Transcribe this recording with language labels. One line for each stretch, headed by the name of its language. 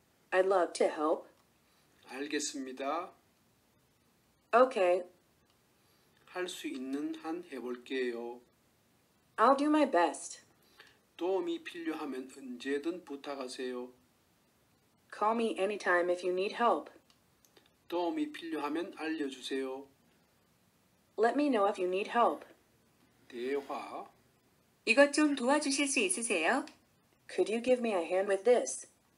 English: I'd love to help.
Korean: 알겠습니다.
English: Okay.
Korean: 할수 있는 한 해볼게요.
English: I'll do my best.
Korean: 도움이 필요하면 언제든 부탁하세요.
English: Call me anytime if you need help.
Korean: 도움이 필요하면 알려주세요.
English: Let me know if you need help.
Korean: 대화. 이것 좀 도와주실 수 있으세요?
English: Could you give me a hand with this?